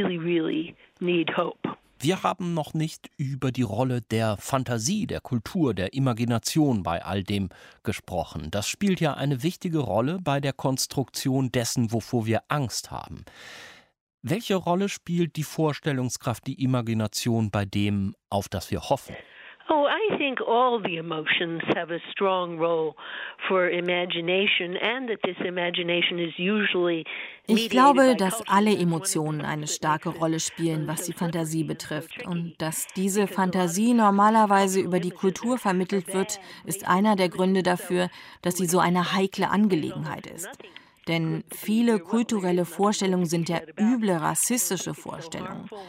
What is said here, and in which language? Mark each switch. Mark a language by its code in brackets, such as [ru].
[de] Wir haben noch nicht über die Rolle der Fantasie, der Kultur, der Imagination bei all dem gesprochen. Das spielt ja eine wichtige Rolle bei der Konstruktion dessen, wovor wir Angst haben. Welche Rolle spielt die Vorstellungskraft, die Imagination bei dem, auf das wir hoffen? [en] Oh, I think all the emotions have a strong role for imagination and that this imagination is usually mediated by culture. [de] Ich glaube, dass alle Emotionen eine starke Rolle spielen, was die Fantasie betrifft. Und dass diese Fantasie normalerweise über die Kultur vermittelt wird, ist einer der Gründe dafür, dass sie so eine heikle Angelegenheit ist. Denn viele kulturelle Vorstellungen sind ja üble rassistische Vorstellungen.